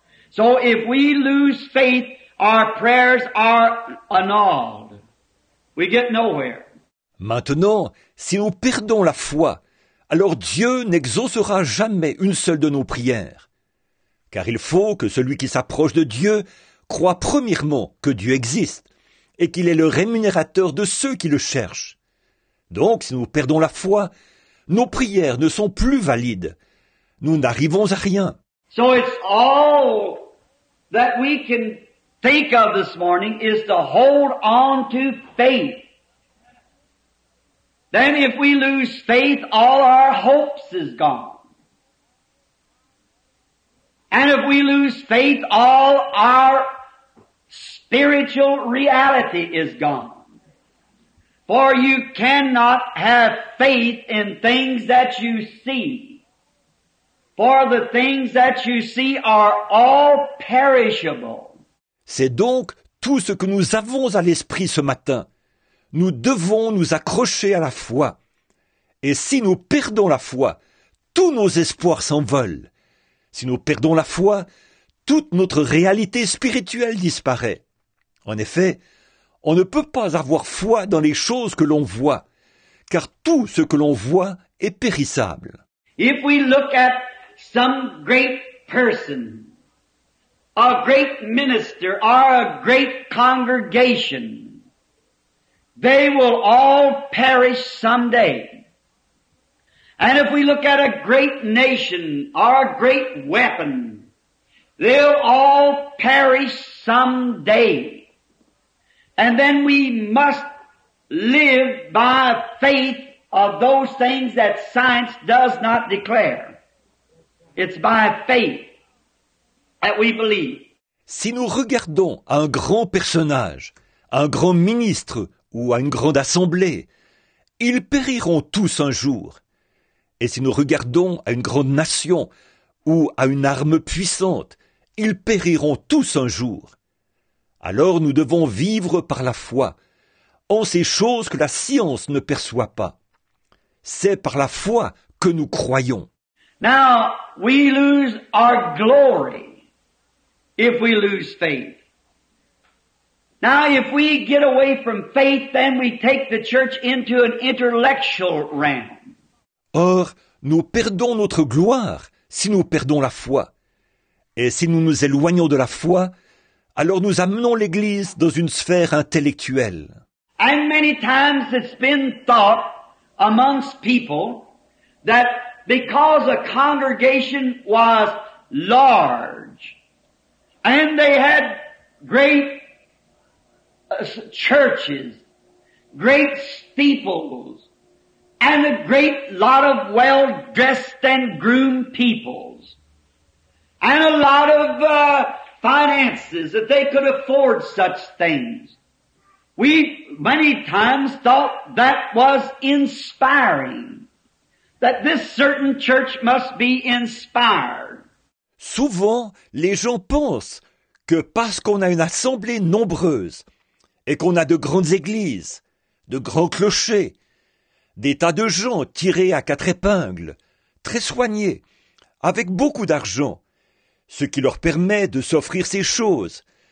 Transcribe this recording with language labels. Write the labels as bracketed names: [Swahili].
[English] So if we lose faith, our prayers are annulled. We get nowhere. [French] Maintenant, si nous perdons la foi, alors Dieu n'exaucera jamais une seule de nos prières. Car il faut que celui qui s'approche de Dieu croie premièrement que Dieu existe et qu'il est le rémunérateur de ceux qui le cherchent. Donc, si nous perdons la foi, nos prières ne sont plus valides. Nous n'arrivons à rien. [English] So it's all that we can think of this morning is to hold on to faith. Then if we lose faith, all our hopes is gone. And if we lose faith, all our spiritual reality is gone. For you cannot have faith in things that you see. For the things that you see are all perishable. [French] C'est donc tout ce que nous avons à l'esprit ce matin. Nous devons nous accrocher à la foi. Et si nous perdons la foi, tous nos espoirs s'envolent. Si nous perdons la foi, toute notre réalité spirituelle disparaît. En effet, on ne peut pas avoir foi dans les choses que l'on voit, car tout ce que l'on voit est périssable. [English] If we look at some great person, a great minister, or a great congregation, they will all perish someday. And if we look at a great nation or a great weapon, they'll all perish someday. And then we must live by faith of those things that science does not declare. It's by faith that we believe. [French] Si nous regardons à un grand personnage, à un grand ministre, ou à une grande assemblée, ils périront tous un jour. Et si nous regardons à une grande nation ou à une arme puissante, ils périront tous un jour. Alors nous devons vivre par la foi, en ces choses que la science ne perçoit pas. C'est par la foi que nous croyons. [English] Now, we lose our glory if we lose faith. Now, if we get away from faith, then we take the church into an intellectual realm. [French] Or, nous perdons notre gloire si nous perdons la foi. Et si nous nous éloignons de la foi, alors nous amenons l'Église dans une sphère intellectuelle. [English] And many times it's been thought amongst people that because a congregation was large and they had great churches, great steeples, and a great lot of well-dressed and groomed peoples, and a lot of finances, that they could afford such things. We many times thought that was inspiring, that this certain church must be inspired. [French] Souvent, les gens pensent que parce qu'on a une assemblée nombreuse et qu'on a de grandes églises, de grands clochers, des tas de gens tirés à quatre épingles, très soignés, avec beaucoup d'argent, ce qui leur permet de s'offrir ces choses.